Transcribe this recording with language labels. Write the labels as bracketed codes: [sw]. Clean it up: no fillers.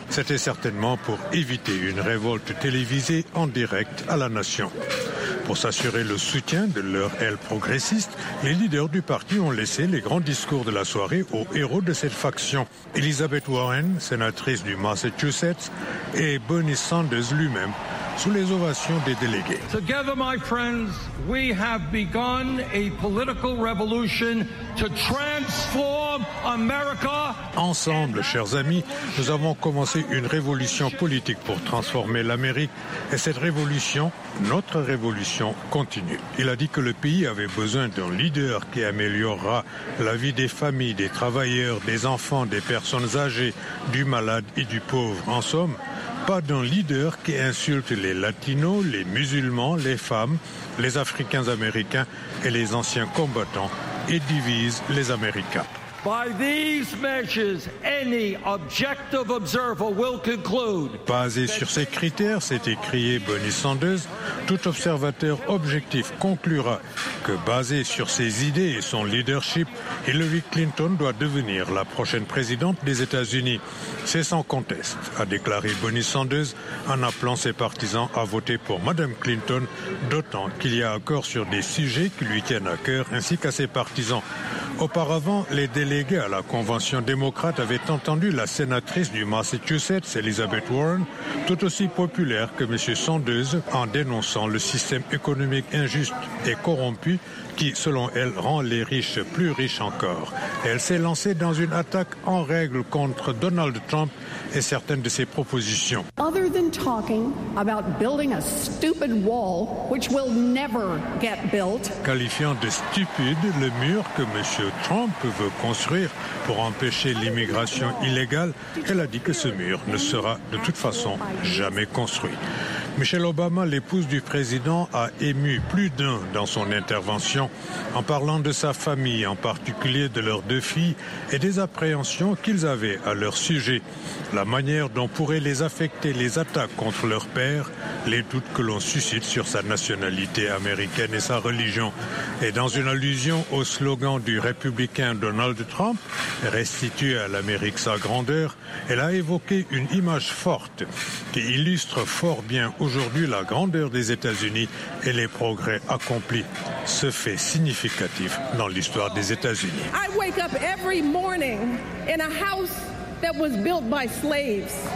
[fr] C'était certainement pour éviter une révolte télévisée en direct à la nation. Pour s'assurer le soutien de leur aile progressiste, les leaders du parti ont laissé les grands discours de la soirée aux héros de cette faction. Elizabeth Warren, sénatrice du Massachusetts, et Bernie Sanders lui-même, sous les ovations des délégués. [en] Together, my friends, we have begun a political revolution to transform America. [fr] Ensemble, chers amis, nous avons commencé une révolution politique pour transformer l'Amérique. Et cette révolution, notre révolution, continue. Il a dit que le pays avait besoin d'un leader qui améliorera la vie des familles, des travailleurs, des enfants, des personnes âgées, du malade et du pauvre. En somme, pas d'un leader qui insulte les Latinos, les musulmans, les femmes, les Africains américains et les anciens combattants et divise les Américains. [en] By these measures, any objective observer will conclude. [fr] Basé sur ces critères, s'est écrié Bernie Sanders, tout observateur objectif conclura que, basé sur ses idées et son leadership, Hillary Clinton doit devenir la prochaine présidente des États-Unis. C'est sans conteste, a déclaré Bernie Sanders en appelant ses partisans à voter pour Madame Clinton, d'autant qu'il y a accord sur des sujets qui lui tiennent à cœur ainsi qu'à ses partisans. Auparavant, les délégués à la convention démocrate avaient entendu la sénatrice du Massachusetts, Elizabeth Warren, tout aussi populaire que M. Sanders, en dénonçant le système économique injuste et corrompu qui, selon elle, rend les riches plus riches encore. Elle s'est lancée dans une attaque en règle contre Donald Trump et certaines de ses propositions. [en] Other than talking about building a stupid wall, which will never get built, [fr] qualifiant de stupide le mur que M. Trump veut construire pour empêcher l'immigration illégale, elle a dit que ce mur ne sera de toute façon jamais construit. Michelle Obama, l'épouse du président, a ému plus d'un dans son intervention en parlant de sa famille, en particulier de leurs deux filles et des appréhensions qu'ils avaient à leur sujet. La manière dont pourraient les affecter les attaques contre leur père, les doutes que l'on suscite sur sa nationalité américaine et sa religion. Et dans une allusion au slogan du républicain Donald Trump, restituer à l'Amérique sa grandeur, elle a évoqué une image forte qui illustre fort bien aujourd'hui la grandeur des États-Unis et les progrès accomplis. Ce fait significatif dans l'histoire des États-Unis. [en] I wake up every morning in a house that was built by slaves.